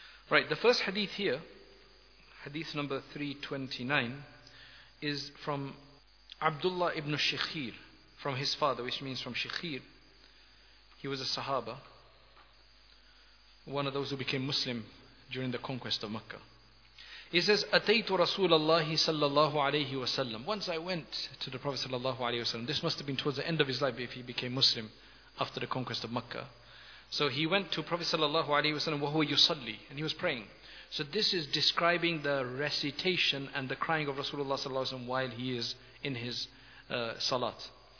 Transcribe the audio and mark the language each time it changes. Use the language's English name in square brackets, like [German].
[English] Right, the first hadith here, hadith number 329, is from Abdullah ibn Shikhir, from his father, which means from Shikhir. He was a Sahaba, one of those who became Muslim during the conquest of Makkah. He says, [Arabic] أَتَيْتُ رَسُولَ اللَّهِ صَلَّى اللَّهُ عَلَيْهِ وَسَلَّمُ. [English] Once I went to the Prophet صلى الله عليه وسلم. This must have been towards the end of his life if he became Muslim after the conquest of Makkah. So he went to Prophet صلى الله عليه وسلم, [Arabic] وَهُوَ يُصَلِّي. [English] And he was praying. So this is describing the recitation and the crying of Rasulullah صلى الله عليه وسلم while he is in his salat.